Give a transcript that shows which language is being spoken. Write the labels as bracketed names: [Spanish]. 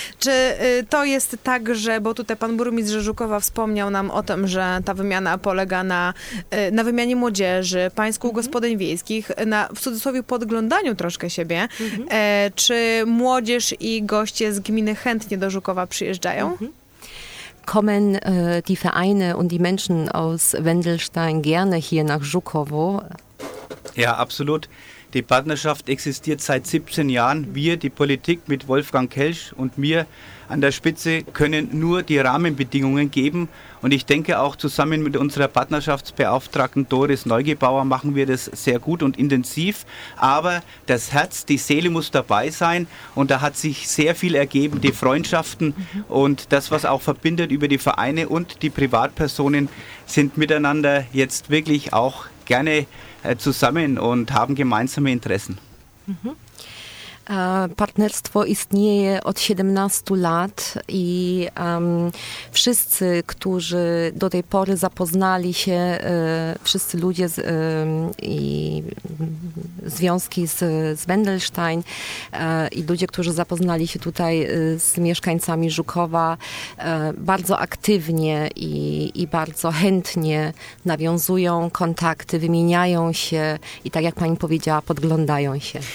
[Polish] Czy to jest tak, że, bo tutaj pan burmistrz Żukowa wspomniał nam o tym, że ta wymiana polega na wymianie młodzieży, pańsku gospodyń wiejskich, na w cudzysłowie podglądaniu troszkę siebie. Mm-hmm. Czy młodzież i goście z gminy chętnie do Żukowa przyjeżdżają? Mm-hmm. [German] Kommen die Vereine und die Menschen aus Wendelstein gerne hier nach Żukowo? Ja, absolut. Die Partnerschaft existiert seit 17 Jahren. Wir, die Politik mit Wolfgang Kelsch und mir an der Spitze, können nur die Rahmenbedingungen geben. Und ich denke auch zusammen mit unserer Partnerschaftsbeauftragten Doris Neugebauer machen wir das sehr gut und intensiv. Aber das Herz, die Seele muss dabei sein. Und da hat sich sehr viel ergeben, die Freundschaften und das, was auch verbindet über die Vereine und die Privatpersonen, sind miteinander jetzt wirklich auch gerne zusammen und haben gemeinsame Interessen. Mhm. [Polish] Partnerstwo istnieje od 17 lat i wszyscy, którzy do tej pory zapoznali się, wszyscy ludzie i związki z Wendelstein i ludzie, którzy zapoznali się tutaj z mieszkańcami Żukowa, bardzo aktywnie i bardzo chętnie nawiązują kontakty, wymieniają się i tak jak pani powiedziała, podglądają się.